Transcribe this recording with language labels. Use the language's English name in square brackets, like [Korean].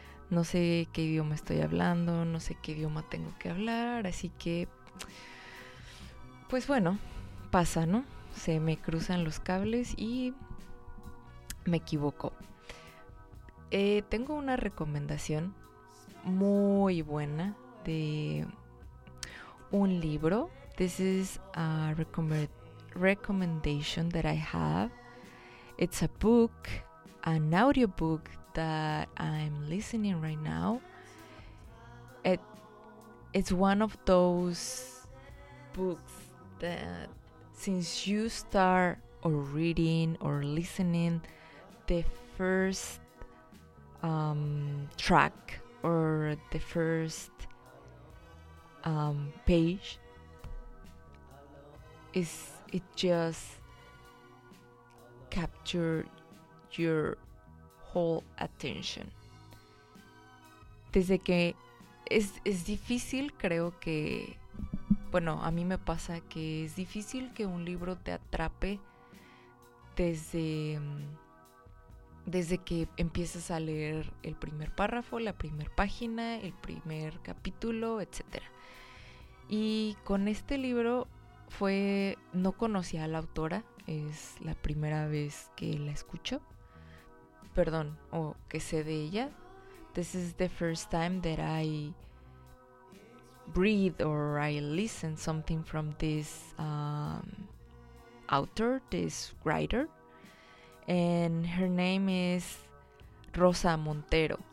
[Spanish] No sé qué idioma estoy hablando, no sé qué idioma tengo que hablar, así que, pues bueno, pasa, ¿no? Se me cruzan los cables y me equivoco. Tengo una recomendación muy buena de un libro. [English] This is a recommendation that I have. It's a book, an audiobook that I'm listening right now. It's one of those books that since you start or reading or listening the first track or the first page, it just captured your whole attention. [Spanish] Desde que es difícil, creo que, bueno, a mí me pasa que es difícil que un libro te atrape desde que empiezas a leer el primer párrafo, la primera página, el primer capítulo, etc. Y con este libro fue, no conocía a la autora, es la primera vez que la escucho. Perdón, o que sé de ella. [English] This is the first time that I read or I listen something from this author, this writer. And her name is Rosa Montero.